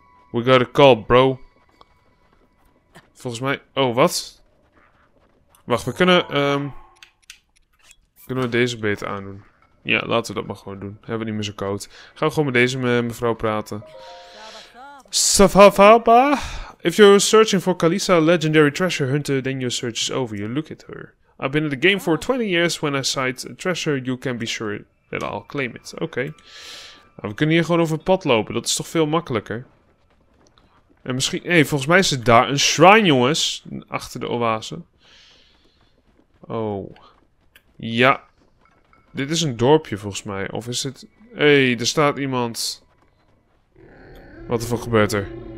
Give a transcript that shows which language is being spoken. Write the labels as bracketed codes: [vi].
[en] We got a call, bro. [nl] Volgens mij... Oh, wat? Wacht, we kunnen... Kunnen we deze beter aandoen? Ja, laten we dat maar gewoon doen. Hebben we niet meer zo koud. Gaan we gewoon met deze mevrouw praten. Safafaba. [en] If you're searching for Kalisa, legendary treasure hunter, then your search is over. You look at her. I've been in the game for 20 years. When I sight a treasure, you can be sure that I'll claim it. [nl] Oké. Okay. Nou, we kunnen hier gewoon over het pad lopen. Dat is toch veel makkelijker? En misschien... Hé, volgens mij is het daar een shrine, jongens. Achter de oase. Oh. Ja. Dit is een dorpje, volgens mij. Of is het... Hé, hey, er staat iemand. Wat de fuck gebeurt er?